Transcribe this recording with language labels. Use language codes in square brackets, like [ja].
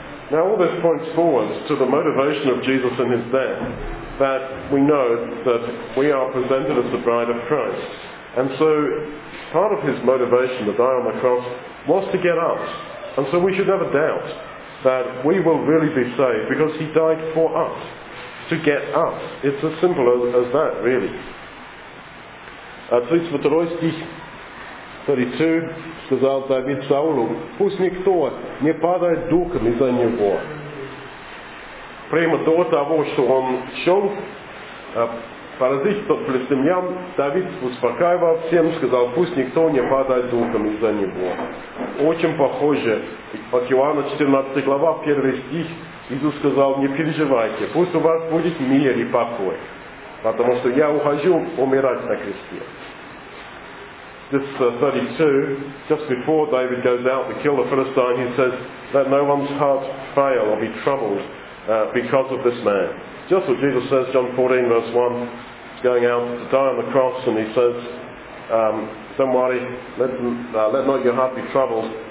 [en] Now all this points forward to the motivation of Jesus in his death, that we know that we are presented as the bride of Christ. And so part of his motivation to die on the cross was to get us. And so we should never doubt that we will really be saved because he died for us, to get us. It's as simple as that, really. [ru] 32 стих, 32, сказал Давид Саулу, пусть никто не падает духом из-за него. Прямо до того, что он шел поразить тот филистимлян, Давид успокаивал всем, сказал, пусть никто не падает духом из-за него. Очень похоже. От Иоанна 14 глава, 1 стих, Иисус сказал, не переживайте, пусть у вас будет мир и покой, потому что я ухожу умирать на кресте. [en] This 32, just before David goes out to kill the Philistine, he says, let no one's heart fail or be troubled because of this man. Just what Jesus says, John 14 verse 1, he's going out to die on the cross, and he says, don't worry, let not your heart be troubled.